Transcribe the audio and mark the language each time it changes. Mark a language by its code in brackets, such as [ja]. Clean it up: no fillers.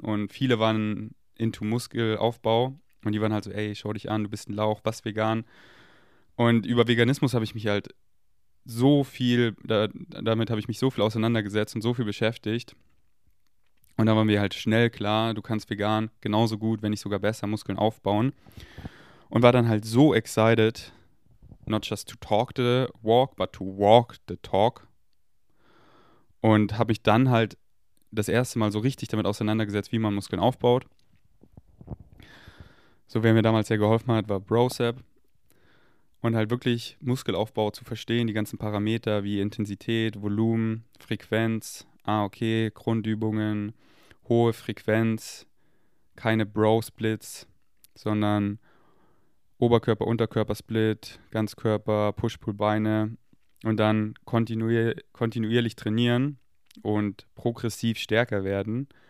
[de] Und viele waren into Muskelaufbau und die waren halt so, ey, schau dich an, du bist ein Lauch, was vegan. Und über Veganismus habe ich mich halt so viel, damit habe ich mich so viel auseinandergesetzt und so viel beschäftigt. Und da war mir halt schnell klar, du kannst vegan genauso gut, wenn nicht sogar besser, Muskeln aufbauen. Und war dann halt so [en] excited, not just to talk the walk, but to walk the talk. [de] Und habe mich dann halt das erste Mal so richtig damit auseinandergesetzt, wie man Muskeln aufbaut. So, wer mir damals sehr geholfen hat, war Brosep. Und halt wirklich Muskelaufbau zu verstehen, die ganzen Parameter wie Intensität, Volumen, Frequenz, Grundübungen, hohe Frequenz, keine Bro-Splits, sondern Oberkörper-Unterkörper-Split, Ganzkörper, Push-Pull-Beine und dann kontinuierlich trainieren und progressiv stärker werden.